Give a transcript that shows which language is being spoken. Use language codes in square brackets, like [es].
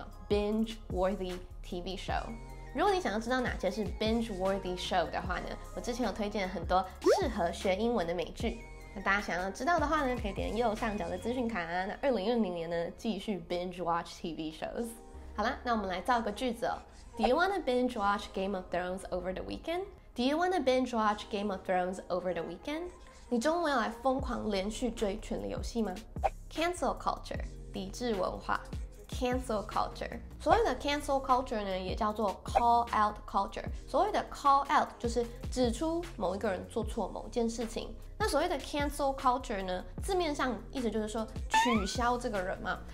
[zh] binge-worthy TV show， 如果你想要知道哪些是 binge-worthy show 的话呢，我之前有推荐很多适合学英文的美剧，那大家想要知道的话呢，可以点右上角的资讯卡、啊、那2020年呢继续 binge-watch TV shows。好啦，那我们来造个句子哦。 [en] Do you want to binge watch Game of Thrones over the weekend? Do you want to binge watch Game of Thrones over the weekend? [zh] 你周末要来疯狂连续追《权力游戏》吗？ Cancel culture， 抵制文化。Cancel culture， 所谓的 cancel culture 呢，也叫做 call out culture。所谓的 call out 就是指出某一个人做错某件事情。那所谓的 cancel culture 呢，字面上意思就是说取消这个人嘛。